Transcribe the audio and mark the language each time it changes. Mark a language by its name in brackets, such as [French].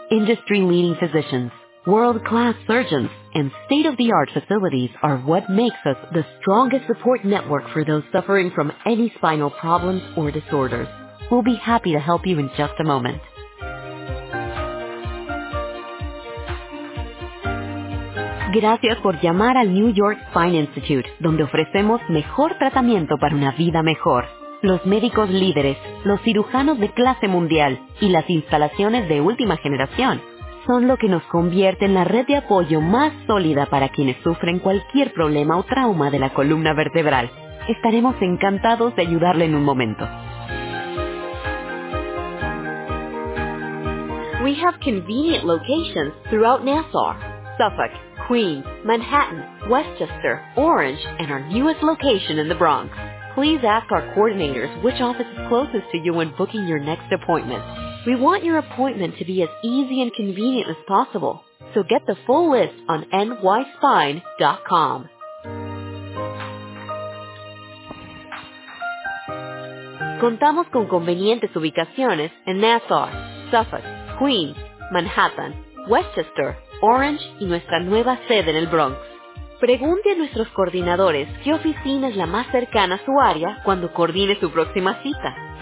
[English] Industry-leading physicians, world-class surgeons, and state-of-the-art facilities are what makes us the strongest support network for those suffering from any spinal problems or disorders. We'll be happy to help you in just a moment. [Spanish] Gracias por llamar al New York Spine Institute, donde ofrecemos mejor tratamiento para una vida mejor. Los médicos líderes, los cirujanos de clase mundial y las instalaciones de última generación son lo que nos convierte en la red de apoyo más sólida para quienes sufren cualquier problema o trauma de la columna vertebral. Estaremos encantados de ayudarle en un momento. [English] We have convenient locations throughout Nassau, Suffolk, Queens, Manhattan, Westchester, Orange, and our newest location in the Bronx. Please ask our coordinators which office is closest to you when booking your next appointment. We want your appointment to be as easy and convenient as possible, so get the full list on nyspine.com. [Spanish] Contamos con convenientes ubicaciones en Nassau, Suffolk, Queens, Manhattan, Westchester, Orange y nuestra nueva sede en el Bronx. Pregunte a nuestros coordinadores qué oficina es la más cercana a su área cuando coordine su próxima cita.